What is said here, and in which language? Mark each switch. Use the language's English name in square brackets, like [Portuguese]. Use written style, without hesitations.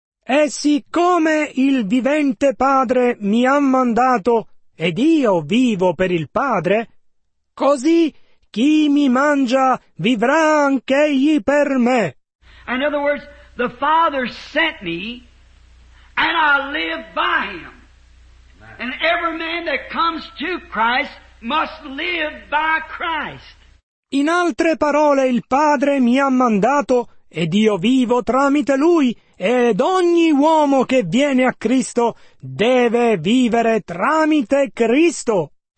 [Italian] E siccome il vivente Padre mi ha mandato, ed io vivo per il Padre, così chi mi mangia vivrà anch'egli per me. [English] In other words, the Father sent me, and I live by him. And every man that comes to Christ must live by Christ. [Italian] In altre parole, il Padre mi ha mandato, ed io vivo tramite Lui, ed ogni uomo che viene a Cristo deve vivere tramite Cristo.